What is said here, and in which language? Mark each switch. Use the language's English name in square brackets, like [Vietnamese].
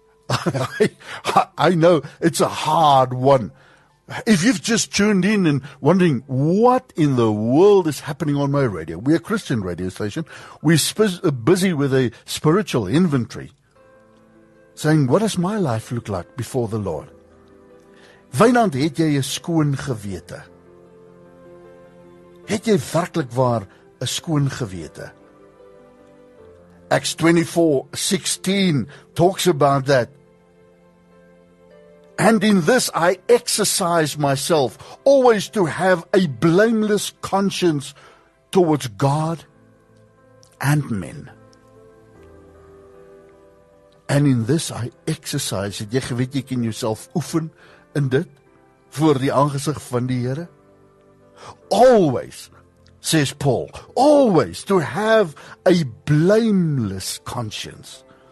[English] I know it's a hard one. If you've just tuned in and wondering what in the world is happening on my radio, we're a Christian radio station. We're busy with a spiritual inventory, saying, what does my life look like before the Lord? [Afrikaans] Wynand, het jy 'n skoon gewete? Het jy werklik waar 'n skoon gewete? [English] Acts 24:16 talks about that. And in this I exercise myself, always to have a blameless conscience towards God and men. And in this I exercise, [Afrikaans] jy weet jy kan jouself oefen in dit, voor die aangesig van die Here. [English] Always, says Paul, always to have a blameless conscience.